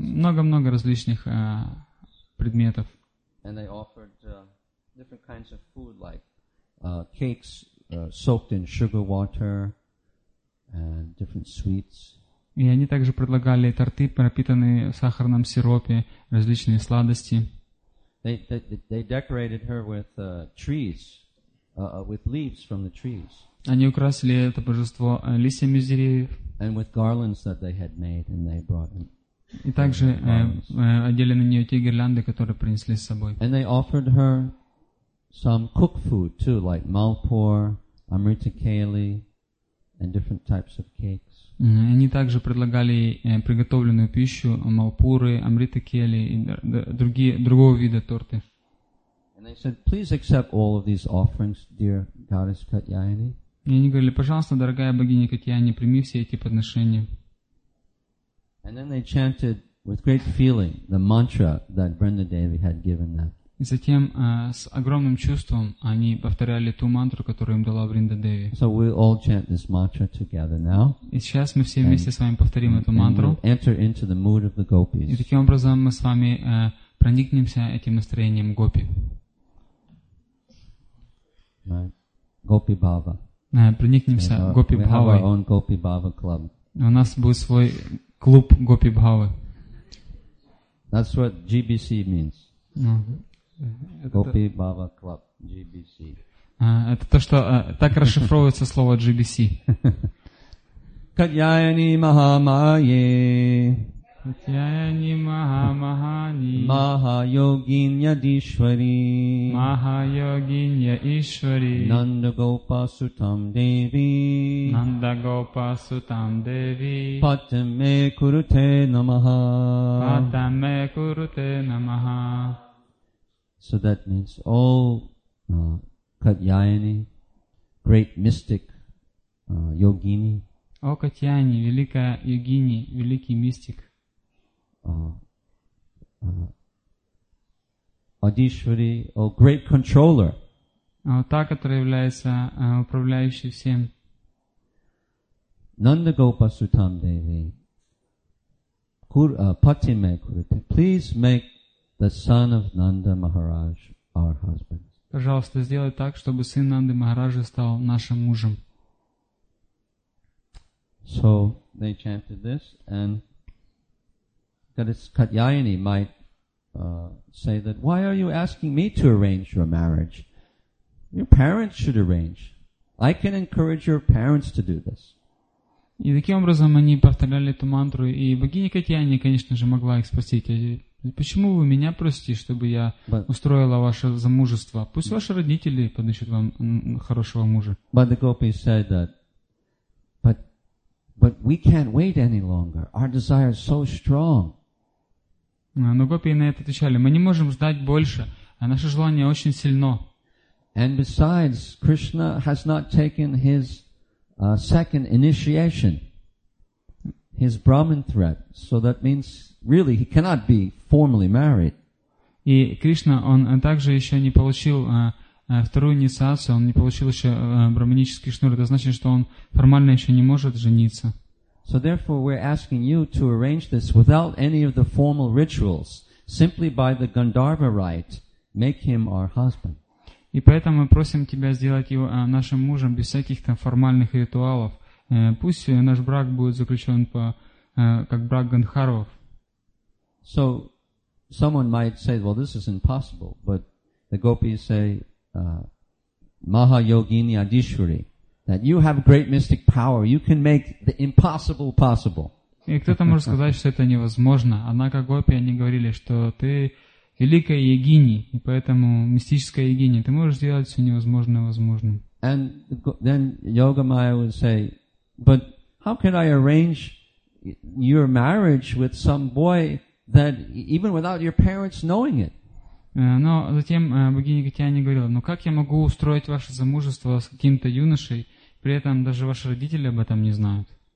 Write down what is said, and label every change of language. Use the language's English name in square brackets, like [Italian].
[Russian] Много-много различных предметов. [English] And they offered different kinds of food, like cakes soaked in sugar water and different sweets. [Russian] И они также предлагали торты, пропитанные в сахарном сиропе, различные сладости. [English] They decorated her with trees, with leaves from the trees. [Russian] Они украсили это божество листьями из деревьев. [English] And with garlands that they had made, and they brought them. [Russian] И также одели на нее те гирлянды, которые принесли с собой. [English] And they offered her some cooked food too, like malpur, amrita keli, and different types of cakes. [Russian] Они также предлагали приготовленную пищу, малпуры, амрита кели и другого вида торты. [English] And they said, please accept all of these offerings, dear goddess Katyayani. [Russian] И они говорили, пожалуйста, дорогая богиня Катьяни, прими все эти подношения. [English] And then they chanted with great feeling the mantra that Vrindadevi had given them. [Russian] И затем с огромным чувством они повторяли ту мантру, которую им дала Вриндадеви. [English] So we all chant this mantra together now. [Russian] И сейчас мы все вместе с вами повторим эту мантру. [English] And we'll enter into the mood of the gopis. [Russian] И таким образом мы с вами проникнемся этим настроением гопи. Гопи Бхава. Проникнемся гопи Бхавой. [English] We have our own Gopi Bhava club. [Russian] У нас будет свой клуб гопи Бхавы. [English] That's what GBC means. Gopi Bhava Club, GBC. [Russian] Это то, что так расшифровывается слово GBC. [Sanskrit] Катьяни Махамайе. Катьяни Махамахани. Махайогинья Дишвари. Махайогинья Ишвари. Нандагопасутам Деви. Нандагопасутам Деви. Патаме Курте Намаха. Патаме Курте Намаха. [English] So that means all Катьяни, great mystic yogini. [Russian] О Катьяни, великая йогини, великий мистик. [English] Адишвари, о great controller. [Russian] Та, которая является управляющей всем. [Sanskrit] Нандагопасутам деви. Патиме курите. [English] Please make the son of Nanda Maharaj, our husband. [Russian] Пожалуйста, сделай так, чтобы сын Нанды Махараджа стал нашим мужем. [English] So they chanted this, and Goddess Katyayani might say that, why are you asking me to arrange your marriage? Your parents should arrange. I can encourage your parents to do this. [Russian] И таким образом они повторяли эту мантру, и богиня Катьяни, конечно же, могла их спросить. Почему вы меня просите, чтобы я устроила ваше замужество? Пусть ваши родители подыщут вам хорошего мужа. [English] But the gopis said that, but we can't wait any longer. Our desire is so strong. [Russian] Но гопи на это отвечали: мы не можем ждать больше, а наше желание очень сильно. [English] And besides, Krishna has not taken his second initiation, his Brahmin threat. So that means really, he cannot be formally married. [Russian] И Кришна, он также еще не получил вторую инициацию, он не получил еще брахманический шнур. Это значит, что он формально еще не может жениться. [English] So therefore, we're asking you to arrange this without any of the formal rituals, simply by the Gandharva rite, make him our husband. [Russian] И поэтому мы просим тебя сделать его нашим мужем без всяких там формальных ритуалов. Пусть наш брак будет заключен по как брак Гандхарвов. [English] So someone might say, well, this is impossible, but the gopis say, Maha Yogini Adishwari, that you have great mystic power, you can make the impossible possible. [Russian] И кто-то может сказать, что это невозможно, однако гопи, они говорили, что ты великая йогини, и поэтому мистическая йогини, ты можешь сделать все невозможное возможным. [English] And then Yogamaya would say, but how can I arrange your marriage with some boy that even without your parents knowing it? [Russian] Но затем богиня Катьяни говорила, ну как я могу устроить ваше замужество с каким-то юношей, при этом даже ваши родители об этом не знают?